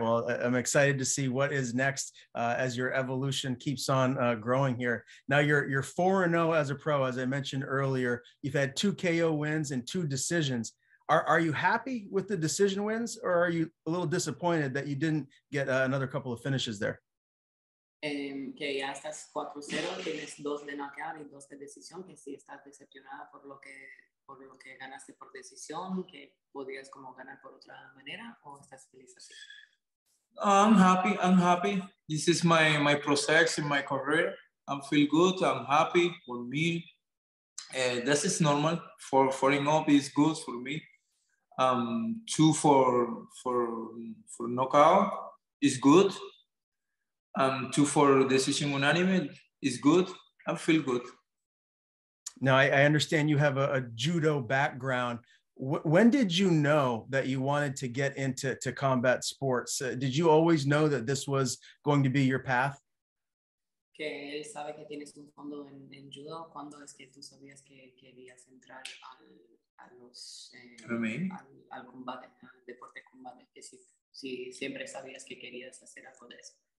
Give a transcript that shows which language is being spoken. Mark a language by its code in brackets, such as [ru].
[en] Well, I'm excited to see what is next as your evolution keeps on growing here. Now you're 4-0 as a pro, as I mentioned earlier. You've had 2 KO wins and 2 decisions. Are you happy with the decision wins, or are you a little disappointed that you didn't get another couple of finishes there? [es] Que ya estás 4-0, tienes 2 de knockout y 2 de decisión, que si estás decepcionada por lo que ganaste por decisión, que podrías como ganar por otra manera, o estás feliz así? [en] I'm happy. This is my process in my career. I feel good, I'm happy for me. This is normal. For falling up is good for me. 2 for knockout is good. 2 for decision unanimous is good. I feel good. Now, I understand you have a judo background. When did you know that you wanted to get into combat sports? Did you always know that this was going to be your path? [es] Que él sabe que tienes un fondo en judo, ¿cuándo es que tú sabías que querías entrar al combate, al deporte combate, que si siempre sabías que querías hacer algo de eso?